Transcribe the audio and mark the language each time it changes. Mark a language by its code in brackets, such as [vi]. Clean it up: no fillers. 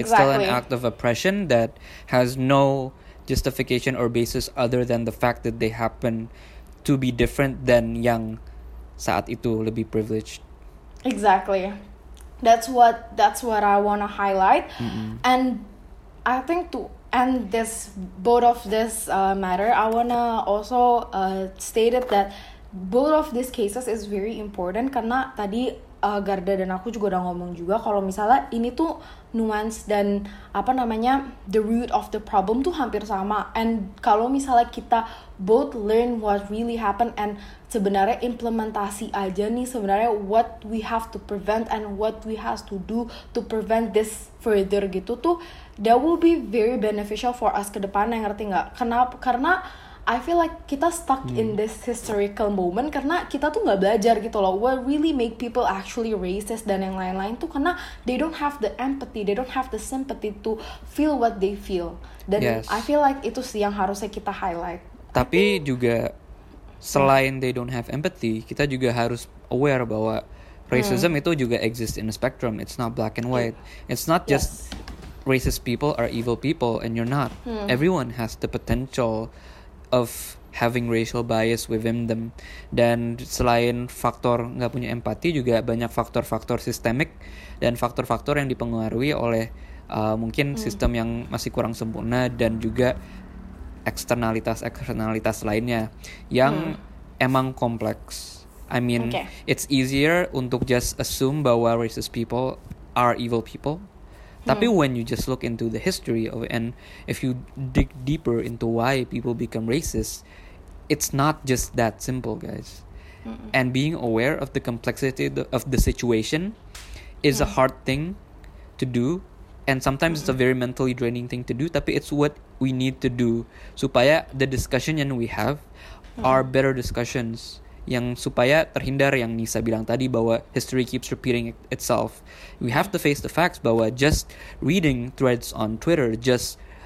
[en] it's still an act of oppression that has no justification or basis other than the fact that they happen to be different than [id] yang saat itu lebih [en] privileged. Exactly. That's what I want to highlight. Mm-hmm. And I think to end this, both of this matter, I want to also state it that both of these cases is very important. [id] Karena tadi Garda dan aku juga udah ngomong juga, kalau misalnya ini tuh nuance dan apa namanya, [en] the root of the problem [id] tuh hampir sama. [en] And [id] kalau misalnya kita [en] both learn what really happened and [id] sebenarnya implementasi aja nih sebenarnya [en] what we have to prevent and what we have to do to prevent this further [id] gitu tuh, [en] that will be very beneficial for us [id] ke depan, yang ngerti gak? Kenapa? [en] Karena I feel like kita stuck in this historical moment [id] karena kita tuh gak belajar gitu loh [en] what really make people actually racist [id] dan yang lain-lain tuh, karena [en] they don't have the empathy, they don't have the sympathy to feel what they feel. Dan yes, I feel like [id] itu sih yang harusnya kita [en] highlight. [id] Tapi juga selain [en] they don't have empathy, [id] kita juga harus [en] aware bahwa racism [id] itu juga [en] exists in a spectrum. It's not black and white. It's not just racist people are evil people and you're not. Everyone has the potential of having racial bias within them. [id] Dan selain faktor gak punya empati, juga banyak faktor-faktor sistemik dan faktor-faktor yang dipengaruhi oleh mungkin sistem yang masih kurang sempurna, dan juga eksternalitas-eksternalitas lainnya yang emang kompleks. [en] I mean, it's easier untuk just assume bahwa racist people are evil people. Tapi when you just look into the history of, and if you dig deeper into why people become racist, it's not just that simple, guys. Mm-mm. And being aware of the complexity of the situation is a hard thing to do, and sometimes it's a very mentally draining thing to do, tapi it's what we need to do supaya the discussion yang we have are better discussions, [id] yang supaya terhindar yang Nisa bilang tadi bahwa [en] history keeps repeating itself. We have to face the facts bahwa just reading threads on Twitter, just